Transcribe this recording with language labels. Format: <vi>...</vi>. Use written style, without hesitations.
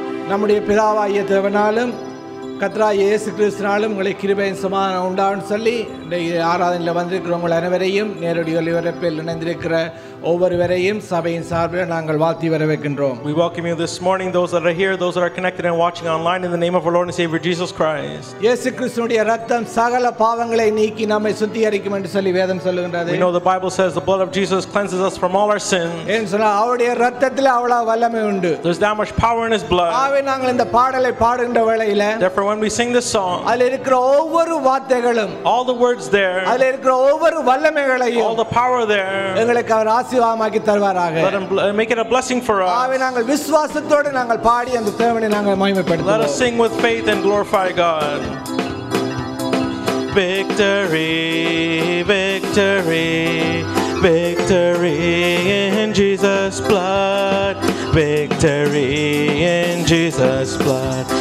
<ta>நம்முடைய பிதாவாகிய தேவனாலும் கத்ரா இயேசு கிறிஸ்துனாலும் உங்களை கிருபையும் சமாதானம் உண்டான்னு சொல்லி இன்றைக்கு ஆராதனையில் வந்திருக்கிறவங்க அனைவரையும் நேரடி ஒலிபரப்பில் இணைந்திருக்கிற ஒவ்வொருவரையும் சபையின் சார்பில் நாங்கள் வாழ்த்தி வரவேற்கின்றோம்.</ta> <en>We welcome you this morning, those that are here, those that are connected and watching online, in the name of our Lord and Savior Jesus Christ.</en> <ta>இயேசு கிறிஸ்துவின் இரத்தம் சகல பாவங்களை நீக்கி நம்மை சுத்திகரிக்கும் என்று சொல்லி வேதம் சொல்கிறது.</ta> <en>We know the Bible says the blood of Jesus cleanses us from all our sins.</en> <ta>என்றால் அவருடைய இரத்தத்தில் அவ்வளவு வல்லமை உண்டு.</ta> <en>There's that much power in his blood.</en> <ta>ஆவே நாங்கள் இந்த பாடலை பாடுகின்ற வேளையில்</ta> <en>Therefore when we sing this song,</en> <ta>அதில் இருக்கிற ஒவ்வொரு வார்த்தைகளும்</ta> <en>All the words there,</en> <ta>அதில் இருக்கிற ஒவ்வொரு வல்லமைகளையும்</ta> <en>All the power there,</en> <ta>எங்களுக்கு அவர் ஆசீர்வாதமாக்கி தருவாராக.</ta> <en>Let him make it a blessing for us.</en> <ta>ஆவே நாங்கள் விசுவாசத்தோடு நாங்கள் பாடி அந்த தேவனை நாங்கள் மகிமைப்படுத்துவோம்.</ta> <en>Let us sing with faith and glorify God. Victory, victory, victory in Jesus' blood. Victory in Jesus' blood.</en>